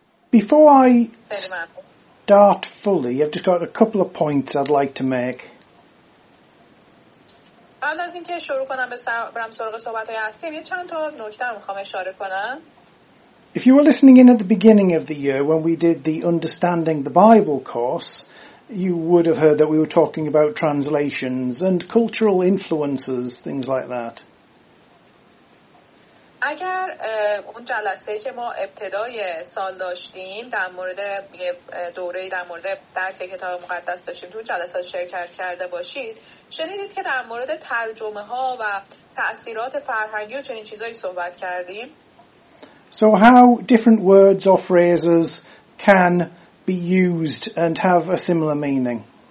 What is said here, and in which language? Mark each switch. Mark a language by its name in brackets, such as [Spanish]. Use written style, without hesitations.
[English] Before I start fully, I've just got a couple of points I'd like to make. [Persian] قبل از اینکه شروع کنم برم سراغ صحبت‌های اصلی، یه چند تا نکته رو می‌خوام اشاره کنم. [English] If you were listening in at the beginning of the year when we did the Understanding the Bible course, you would have heard that we were talking about translations and cultural influences, things like that. [Persian] اگر اون جلسه که ما ابتدای سال داشتیم در مورد یه دوره در مورد درک کتاب مقدس داشتیم، تو جلسات شرکت کرده باشید، شنیدید که در مورد ترجمه ها و تأثیرات فرهنگی و چنین چیزایی صحبت کردیم. [English] So how different words or phrases can be used and have a similar meaning.